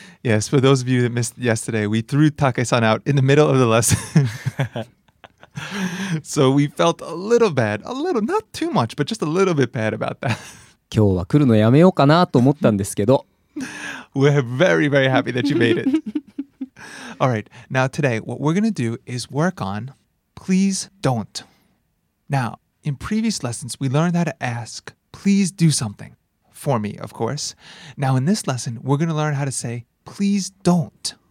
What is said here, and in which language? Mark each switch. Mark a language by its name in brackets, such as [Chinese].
[English] Yes, for those of you that missed yesterday, we threw Take-san out in the middle of the lesson. So we felt a little bad, a little, not too much, but just a little bit bad about that. [Japanese] 今日は来るのやめようかなと思ったんですけど。 [English] We're very, very happy that you made it. All right, now today, what we're going to do is work on please don't. Now, in previous lessons, we learned how to ask, please do something for me, of course. Now, in this lesson, we're going to learn how to say, please don't.